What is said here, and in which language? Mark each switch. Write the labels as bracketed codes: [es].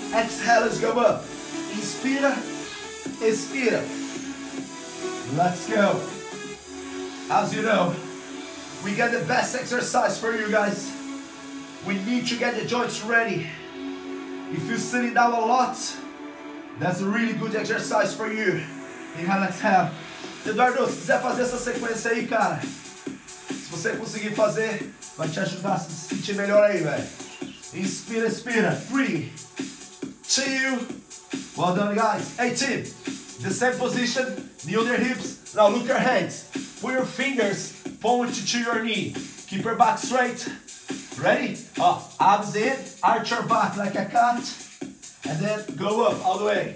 [en] Exhale, let's go up. [pt] Inspira. Expira. [en] Let's go. As you know, we got the best exercise for you guys. We need to get the joints ready. If you're sitting down a lot, that's a really good exercise for you. Inhale, exhale. [pt] Eduardo, se quiser fazer essa sequência aí, cara, se você conseguir fazer, vai te ajudar a se sentir melhor aí, velho. Inspira, expira. [en] 3, 2, well done, guys. Hey, team, the same position, knee on your hips. Now look your hands. Put your fingers, point to your knee. Keep your back straight. Ready? Abs in, arch your back like a cat, and then go up all the way.